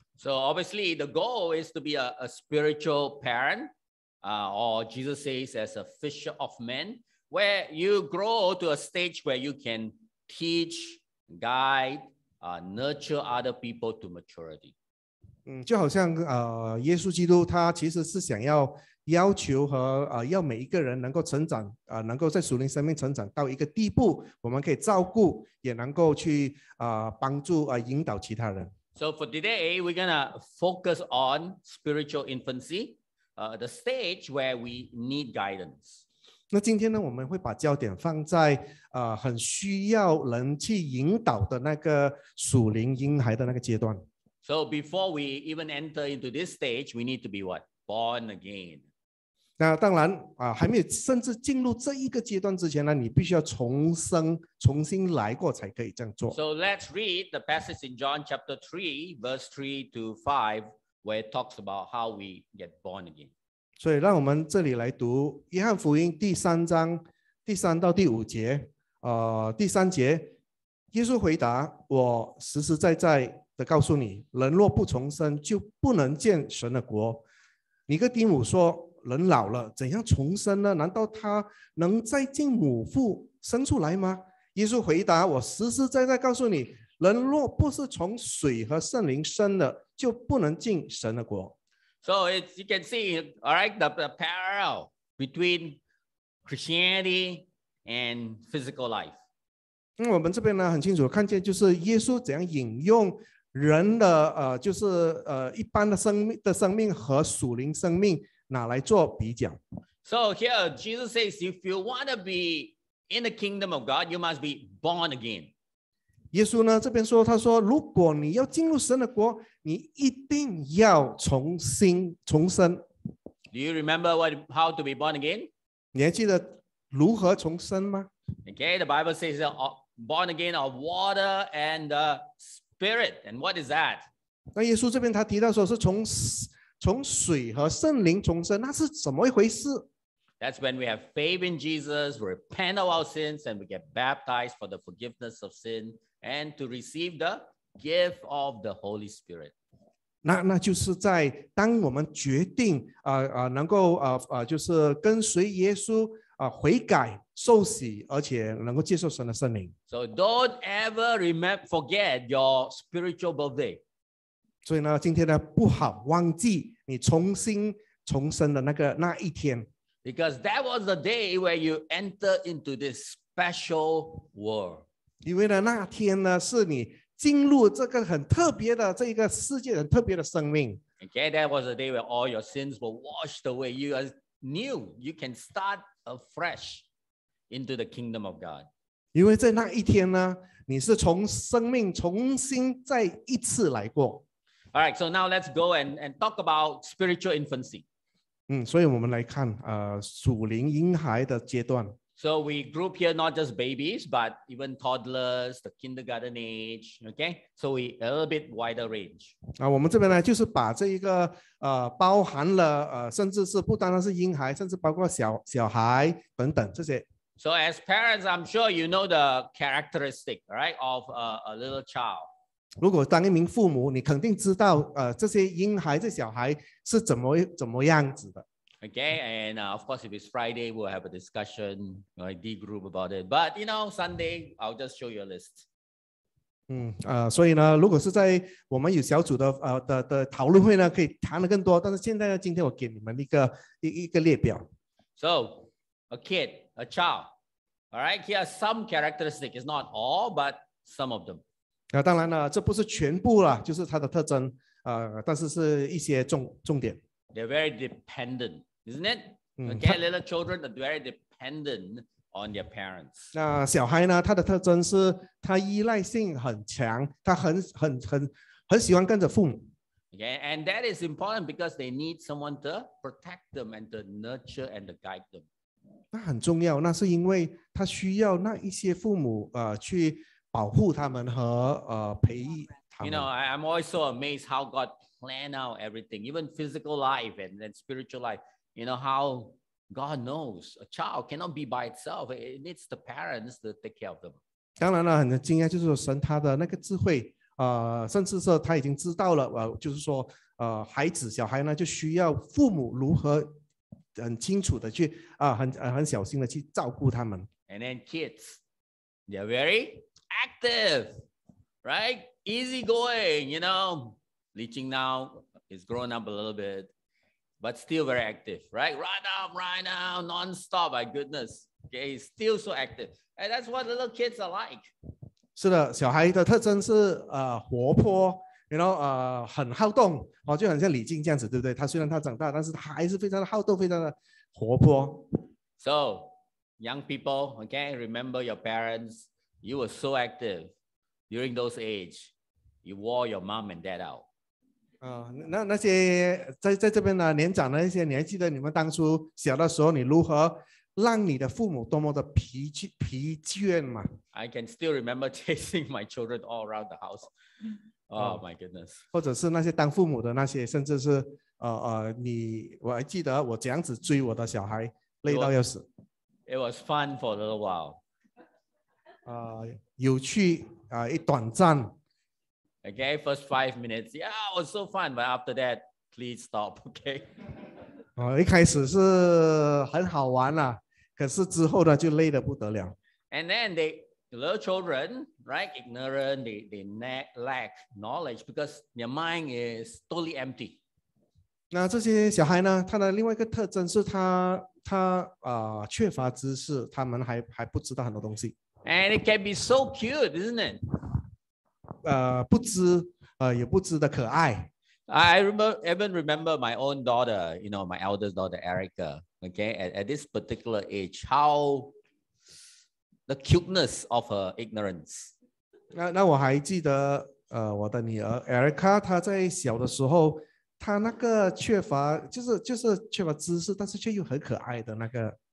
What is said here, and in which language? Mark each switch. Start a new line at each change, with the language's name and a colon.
English: So obviously the goal is to be a spiritual parent, or Jesus says as a fisher of men, where you grow to a stage where you can teach, guide, nurture other people to maturity.
Chinese: 就好像耶稣基督他其实是想要要求和要每一个人能够成长，能够在属灵生命成长到一个地步，我们可以照顾，也能够去帮助引导其他人。
English: So for today, we're going to focus on spiritual infancy, the stage where we need guidance.
Chinese: 那今天呢，我们会把焦点放在很需要人去引导的那个属灵婴孩的那个阶段。
English: So before we even enter into this stage, we need to be what? Born again.
Chinese: 那当然还没有甚至进入这一个阶段之前呢，你必须要重生，重新来过才可以这样做。
English: So let's read the passage in John chapter 3, verse 3 to 5, where it talks about how we get born again.
Chinese: 所以让我们这里来读约翰福音第三章第三到第五节，第三节，耶稣回答，我实实在在的告诉你，人若不重生，就不能见神的国。尼哥底母说，人老了怎样重生呢？难道他能再进母腹生出来吗？耶稣回答，我实实在在告诉你，人若不是从水和圣灵生的，就不能进神的国。
English: So it's, you can see, all right, the parallel between Christianity and physical life.
Chinese: 我们这边呢很清楚看见，就是耶稣怎样引用人的就是一般的生命和属灵生命拿来做比较。
English: So here Jesus says, if you want to be in the kingdom of God, you must be born again.
Chinese: 耶稣呢这边说，他说，如果你要进入神的国，你一定要重生。
English: Do you remember how to be born again?
Chinese: 你还记得如何重生吗？
English: Okay, the Bible says, born again of water and the Spirit. And what is that?
Chinese: 那耶稣这边他提到说是从水和圣灵重生，那是怎么一回事？
English: That's when we have faith in Jesus, repent of our sins, and we get baptized for the forgiveness of sin and to receive the gift of the Holy Spirit.
Chinese: 那就是在当我们决定能够就是跟随耶稣悔改受洗，而且能够接受神的圣灵。
English: So don't ever forget your spiritual birthday.
Chinese: 所以呢，今天呢，不好忘记你重生的那一天。
English: Because that was the day where you enter into this special world.
Chinese: 因为呢，那天呢，是你进入这个很特别的这个世界，很特别的生命。
English: Okay, that was the day where all your sins were washed away. You are new. You can start afresh into the kingdom of God.
Chinese: 因为在那一天呢，你是从生命重新再一次来过。
English: All right, so now let's go and talk about spiritual infancy.
Chinese: 所以我们来看属灵婴孩的阶段。
English: So we group here not just babies, but even toddlers, the kindergarten age, okay? So we a little bit wider range.
Chinese: 我们这边呢就是把这一个包含了甚至是不单单是婴孩，甚至包括小孩等等这些。
English: So as parents, I'm sure you know the characteristic, right, of a little child.
Chinese: 如果当一名父母，你肯定知道这些婴孩这小孩是怎么样子的。
English: Okay, and of course if it's Friday we'll have a discussion, like D group about it, but you know Sunday I'll just show you a list.
Chinese: 所以呢，如果是在我们有小组的讨论会呢，可以谈的更多。但是现在呢，今天我给你们一个列表。
English: So, a kid, a child, all right. Here are some characteristics. It's not all, but some of them.
Chinese: 那当然了，这不是全部啦，就是它的特征。但是是一些重点。
English: They're very dependent, isn't it? Okay, little children are very dependent on their parents.
Chinese: 那小孩呢？他的特征是他依赖性很强，他很喜欢跟着父母。
English: Okay, and that is important because they need someone to protect them and to nurture and to guide them.
Chinese: 那很重要，那是因为他需要那一些父母去保护他们和培育他们。
English: You know, I'm always so amazed how God plan out everything, even physical life and then spiritual life. You know how God knows a child cannot be by itself; it needs the parents to take care of them.
Chinese: 当然了，很惊讶，就是神他的那个智慧，甚至说他已经知道了，就是说，孩子小孩呢，就需要父母如何很清楚的去很小心的去照顾他们。
English: And then kids, they're very active, right? Easygoing, you know. Leeching now is grown up a little bit. But still very active, right? Right now, non-stop, my goodness. Okay, he's still so active. And that's what little kids are like.
Chinese: 是的，小孩的特征是活泼，
English: you know,
Chinese: 很好动，就很像李静这样子，对不对？他虽然他长大，但是他还是非常的好动，非常的活泼。
English: So, young people, okay, remember your parents. You were so active during those age. You wore your mom and dad out.
Chinese: 那些 在这边呢，年长的那些，你还记得你们当初小的时候，你如何让你的父母多么的疲倦吗？
English: I can still remember chasing my children all around the house. Oh my goodness.
Chinese: 或者是那些当父母的那些，甚至是我还记得我这样子追我的小孩，累到要死。
English: It was fun for a little while.
Chinese: 有趣一短暂。
English: Okay, first 5 minutes, yeah, it was so fun. But after that, please stop. Okay.
Chinese: 一开始是很好玩啦，可是之后呢，就累得不得了。
English: And then they little children, right? Ignorant, they lack knowledge because their mind is totally empty.
Chinese: 那这些小孩呢，他的另外一个特征是他缺乏知识，他们还不知道很多东西。
English: And it can be so cute, isn't it?
Chinese: 不知也不知的可爱。
English: I even remember my own daughter, you know, my eldest daughter Erica. Okay, at this particular age, how the cuteness of her ignorance.
Chinese: 那我还记得我的女儿 Erica, 她在小的时候，她那个缺乏就是缺乏知识，但是却又很可爱的那个。